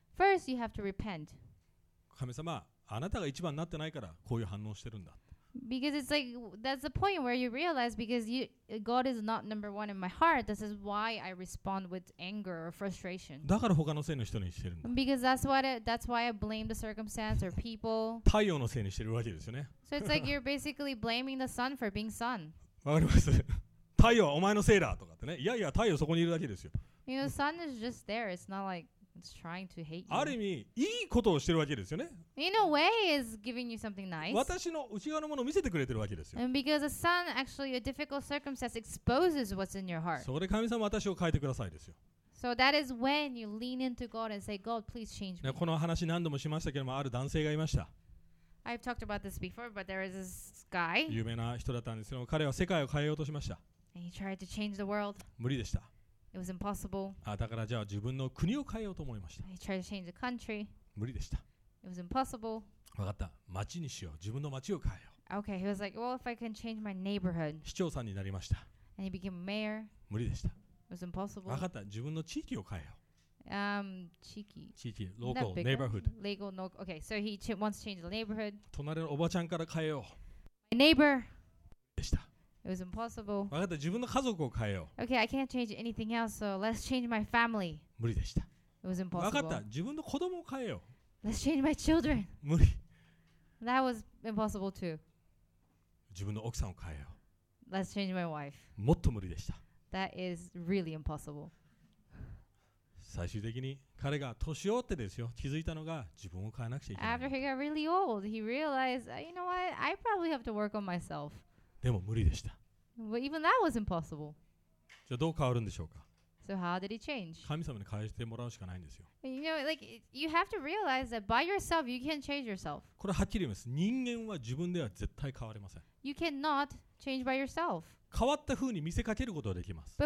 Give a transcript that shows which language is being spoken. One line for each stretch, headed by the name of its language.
English: First, you have to repent.
Japanese: 神様、あなたが一番になってないからこういう反応してるんだ。
English: Because it's like that's the point where you realize because you, God is not number one in my heart. This is why I respond with anger or frustration.
Japanese: だから他のせいの人にしてるんだ。
English: Because that's why I blame the circumstance or people.
Japanese: 太陽のせいにしてるわけですよね。
English: So it's like you're basically blaming the sun for being sun.
Japanese: わかります。太陽はお前のせいだとかってね。いやいや太陽そこにいるだけですよ。
English: You know, sun is just there. It's not like it's trying to hate you.
Japanese: ある意味いいことをしてるわけですよね。
English: In a way, is giving you something nice.
Japanese: 私の内側のものを見せてくれてるわけですよ。
English: And because the sun actually a difficult circumstance exposes what's in your heart.
Japanese: そこで神様私を変えてくださいですよ。
English: So that is when you lean into God and say, God, please change me.
Japanese: この話何度もしましたけども、ある男性がいました。
English: I've talked about this before, but there is this guy.
Japanese: 有名な人だったんですけども、彼は世界を変えようとしました。
English: And he tried to change the world.
Japanese: 無理でした。
English: It was impossible.
Japanese: だからじゃあ自分の国を変えようと思いました。
English: He tried to change the country.
Japanese: 無理でした。
English: It was impossible.
Japanese: わかった。町にしよう。自分の町を変えよう。
English: Okay, he was like, well, if I can change my neighborhood.
Japanese: 市長さんになりました。
English: And he became mayor.
Japanese: 無理でした。
English: It was impossible.
Japanese: わかった。自分の地域を変えよう。地域、
English: local neighborhood. Legal, no. Okay, so he wants to change the neighborhood.
Japanese: 隣のおばちゃんから変えよう。
English: My neighbor.
Japanese: でした。
English: It was impossible.
Japanese: わかった。自分の家族を変えよう。
English: Okay, I can't change anything else, so let's change my family.
Japanese: 無理でした。
English: It was impossible.
Japanese: わかった。自分の子供を変えよう。
English: Let's change my children.
Japanese: 無理。
English: That was impossible too.
Japanese: 自分の奥さんを変えよう。
English: Let's change my wife.
Japanese: もっと無理でした。
English: That is really impossible.
Japanese: 最終的に彼が年老ってですよ、気づいたのが自分を変えなくちゃいけない。
English: After he got really old, he realized, you know what, I probably have to work on myself.
Japanese: でも無理でした。
English: But even that was impossible.
Japanese: じゃあどう変わるんでしょうか。
English: So how did he change?
Japanese: 神様に変えてもらうしかないんですよ。
English: You know, like, you have to realize that by yourself, you can't change yourself.
Japanese: これはっきり言います。人間は自分では絶対変われません。
English: You cannot change by yourself.
Japanese: 変わった風に見せかけることはできます。